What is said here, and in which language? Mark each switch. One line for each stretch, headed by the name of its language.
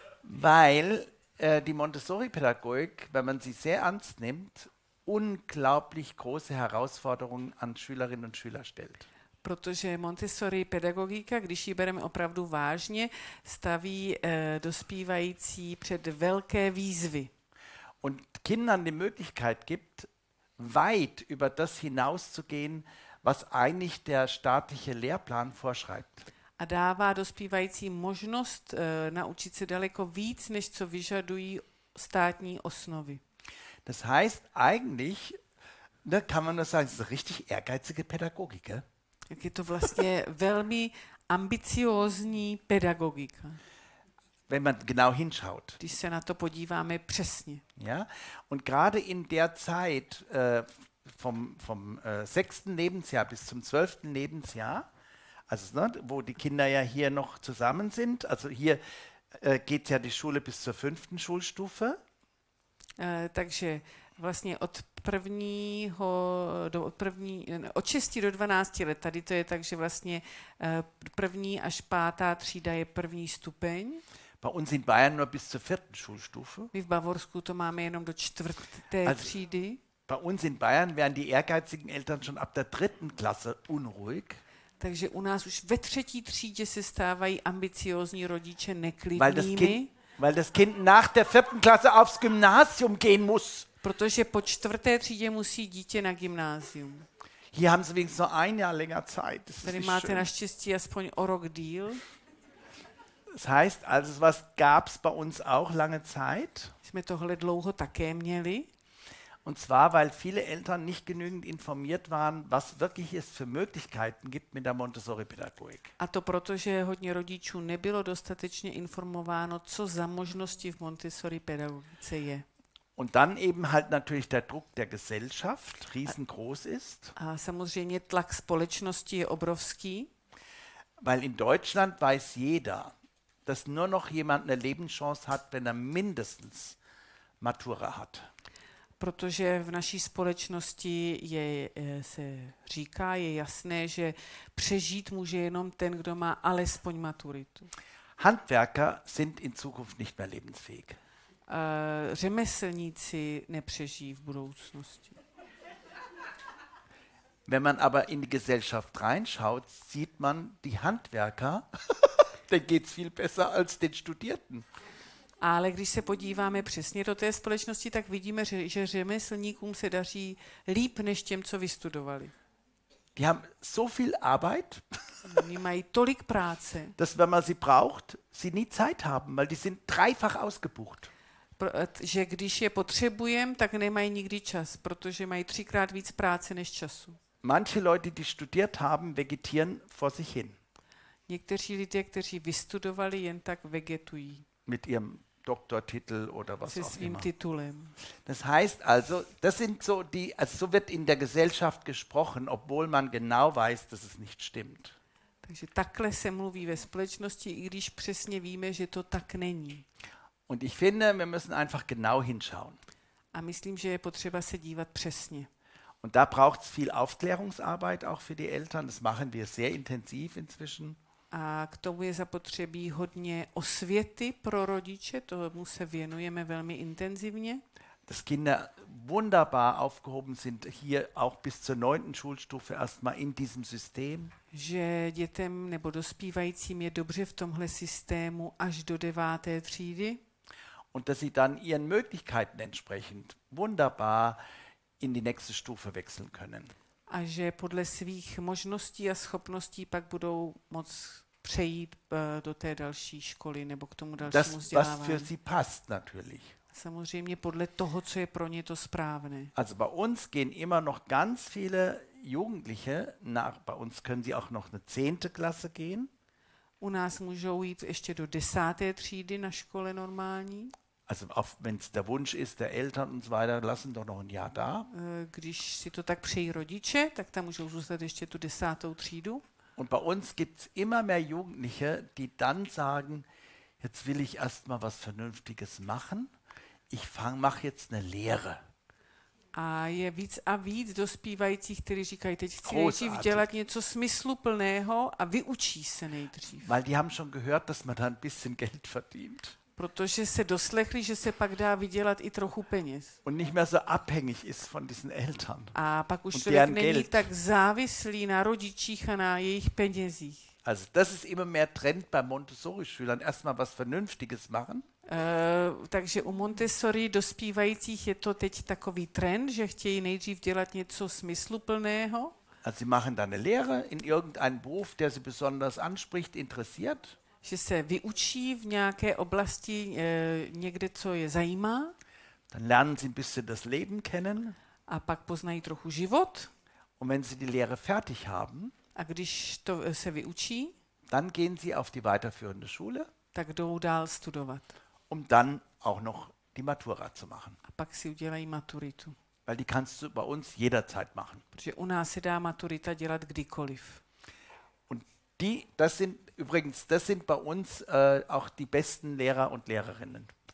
German: Weil die Montessori-Pädagogik, wenn man sie sehr ernst nimmt, unglaublich große Herausforderungen an Schülerinnen und Schüler stellt.
Czech: Protože Montessori pedagogika, když ji bereme opravdu vážně, staví dospívající před velké výzvy.
German: Und Kindern die Möglichkeit gibt, weit über das hinauszugehen, was eigentlich der staatliche Lehrplan vorschreibt.
Czech: A dává dospívající možnost naučit se daleko víc, než co vyžadují státní osnovy.
German: Das heißt eigentlich, da kann man nur sagen, es ist eine richtig ehrgeizige Pädagogik.
Czech: Jak je to vlastně velmi ambiciózní pedagogika.
German: Wenn man genau hinschaut.
Czech: Když se na to podíváme přesně.
German: Ja? Und gerade in der Zeit vom sechsten Lebensjahr bis zum zwölften Lebensjahr, also ne, wo die Kinder ja hier noch zusammen sind, also hier geht ja die Schule bis zur fünften Schulstufe.
Czech: Takže vlastně od prvního do první, od 6 do 12 let, tady to je tak, že vlastně první až pátá třída je první stupeň.
German: Bei uns in Bayern nur bis zur vierten Schulstufe.
Czech: My v Bavorsku to máme jenom do čtvrté třídy.
German: Bei uns in Bayern werden die ehrgeizigen Eltern schon ab der dritten Klasse unruhig.
Czech: Takže u nás už ve třetí třídě se stávají ambiciózní rodiče neklidnými.
German: Weil das Kind nach der vierten Klasse aufs Gymnasium gehen muss.
Czech: Protože po čtvrté třídě musí dítě na gymnázium.
German: Hier haben sie wenigstens noch ein Jahr länger Zeit. Das
Czech: tady máte
German: schön.
Czech: Naštěstí aspoň o rok díl.
German: Das heißt, also was gab's bei uns auch lange Zeit?
Czech: Jsme tohle dlouho také měli.
German: Und zwar, weil viele Eltern nicht genügend informiert waren, was wirklich es für Möglichkeiten gibt mit der Montessori-Pädagogik.
Czech: A to proto, že hodně rodičů nebylo dostatečně informováno, co za možnosti v Montessori-pädagogice je.
German: Und dann eben halt natürlich der Druck der Gesellschaft, riesengroß ist.
Czech: A samozřejmě tlak společnosti je obrovský.
German: Weil in Deutschland weiß jeder, dass nur noch jemand eine Lebenschance hat, wenn er mindestens Matura hat.
Czech: Protože v naší společnosti je, se říká, je jasné, že přežít může jenom ten, kdo má alespoň maturitu.
German: Handwerker sind in Zukunft nicht mehr lebensfähig.
Czech: Řemeslníci nepřežijí v budoucnosti.
German: Wenn man aber in die Gesellschaft reinschaut, sieht man die Handwerker, dann geht's viel besser als den Studierten.
Czech: Ale když se podíváme přesně do té společnosti, tak vidíme, že řemeslníkům se daří líp než těm, co vystudovali.
German: Die haben so viel Arbeit.
Czech: Oni mají tolik práce.
German: Dass wenn man sie braucht, sie nie Zeit haben, weil die sind dreifach ausgebucht.
Czech: Že když je potřebujeme, tak nemají nikdy čas, protože mají třikrát víc práce než času.
German: Manche Leute, die studiert haben, vegetieren vor sich hin.
Czech: Někteří lidé, kteří vystudovali, jen tak vegetují.
German: Mit ihrem Doktortitel oder was auch immer. Titulem. Das heißt also, das sind so die, also so wird in der Gesellschaft gesprochen, obwohl man genau weiß, dass es nicht stimmt.
Czech: Takže takhle se mluví ve společnosti, i když přesně víme, že to tak není.
German: Und ich finde, wir müssen einfach genau hinschauen.
Czech: A myslím, že je potřeba se dívat přesně.
German: Und da braucht es viel Aufklärungsarbeit auch für die Eltern. Das machen wir sehr intensiv inzwischen.
Czech: A k tomu je zapotřebí hodně osvěty pro rodiče, tomu se věnujeme velmi intenzivně.
German: Dass Kinder wunderbar aufgehoben sind hier auch bis zur 9. Schulstufe erstmal in diesem System.
Czech: Že dětem nebo dospívajícím je dobře v tomhle systému až do 9. třídy.
German: Und dass sie dann ihren Möglichkeiten entsprechend wunderbar in die nächste Stufe wechseln können.
Czech: A že podle svých možností a schopností pak budou moc přejít do té další školy nebo k tomu dalšímu vzdělávání.
German: Das, was für sie passt natürlich.
Czech: Samozřejmě podle toho, co je pro ně to správné.
German: Also bei uns gehen immer noch ganz viele Jugendliche nach, bei uns können sie auch noch eine 10. Klasse gehen.
Czech: U nás můžou jít ještě do 10. třídy na škole normální.
German: Also auf, wenn es der Wunsch ist, der Eltern und so weiter, lassen doch noch ein Jahr da.
Czech: Když si to tak přejí rodiče, tak tam můžou zůstat ještě tu 10. třídu.
German: Und bei uns gibt es immer mehr Jugendliche, die dann sagen, jetzt will ich erst mal was Vernünftiges machen, mach jetzt eine Lehre.
Czech: A je víc a víc dospívajících, kteří říkají, teď chci nejdřív dělat něco smysluplného a vyučí se nejdřív.
German: Weil die haben schon gehört, dass man da ein bisschen Geld verdient.
Czech: Protože se doslechli, že se pak dá vydělat i trochu peněz.
German: Und nicht mehr so abhängig ist von diesen Eltern.
Czech: A pak už člověk není Geld. Tak závislý na rodičích a na jejich penězích.
German: Also das ist immer mehr Trend bei Montessori-Schülern, erstmal was Vernünftiges machen.
Czech: Takže u Montessori dospívajících je to teď takový trend, že chtějí nejdřív dělat něco smysluplného.
German: Also sie machen dann eine Lehre in irgendeinem Beruf, der sie besonders anspricht, interessiert.
Czech: Že se vyučí v nějaké oblasti někde, co je zajímá.
German: Dann lernen sie ein bisschen das Leben kennen.
Czech: A pak poznají trochu život.
German: Und wenn sie die Lehre fertig haben,
Czech: a když to se vyučí,
German: dann gehen sie auf die weiterführende Schule,
Czech: tak jdou dál studovat.
German: Um dann auch noch die Matura zu machen.
Czech: A pak si udělají maturitu.
German: Weil die kannst du bei uns jederzeit machen.
Czech: Protože u nás se dá maturita dělat kdykoliv.
German: Und die, das sind übrigens, das sind bei uns auch die besten Lehrer und Lehrerinnen.